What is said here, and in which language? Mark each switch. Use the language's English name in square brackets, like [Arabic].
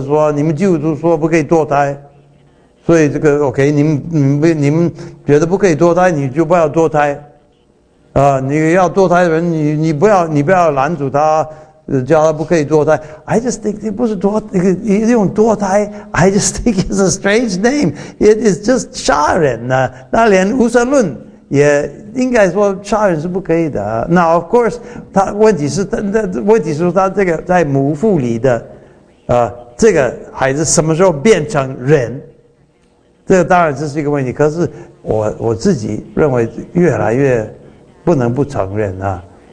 [Chinese] 说你们基督徒说不可以堕胎，所以这个 OK， 你们觉得不可以堕胎，你就不要堕胎啊。你要堕胎的人，你不要拦阻他。叫他不可以堕胎。 [English] I just think [Chinese] 这不是堕那个一种堕胎。 [English] I just think it's a strange name. It is just [Chinese] 杀人呢、啊。那连无神论也应该说杀人是不可以的。 [English] Now of course [Chinese] 他问题是那问题是他这个在母腹里的这个孩子什么时候变成人？这个当然这是一个问题。可是我自己认为越来越不能不承认啊。